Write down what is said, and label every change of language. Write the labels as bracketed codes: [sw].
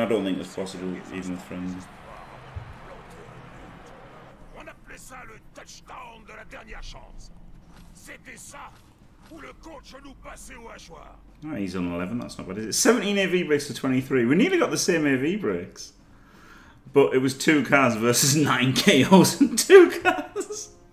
[en] I don't think that's possible, even with friends. [fr] On appelait ça le touchdown de la dernière chance. C'était ça où le coach nous passait au hachoir. [en] Oh, he's on 11, that's not bad, is it? 17 AV breaks to 23. We nearly got the same AV breaks. But it was two cars versus nine KOs and two cars.